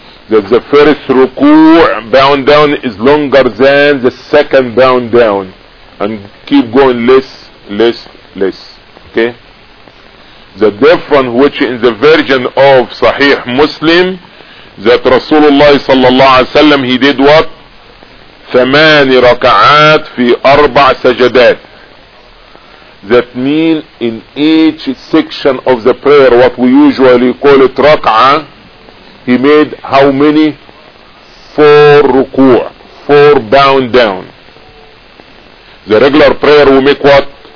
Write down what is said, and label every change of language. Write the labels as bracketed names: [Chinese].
[English] That the first ruku' bound down is longer than the second bound down. And keep going less, less, less. Okay? The difference which in the version of Sahih Muslim, that Rasulullah sallallahu alayhi wa sallam, he did what? [Arabic] ثماني ركعات في أربع سجدات. [English] That mean in each section of the prayer, what we usually call it raka'ah, he made how many? Four ruku'ah, four bound down. The regular prayer will make what?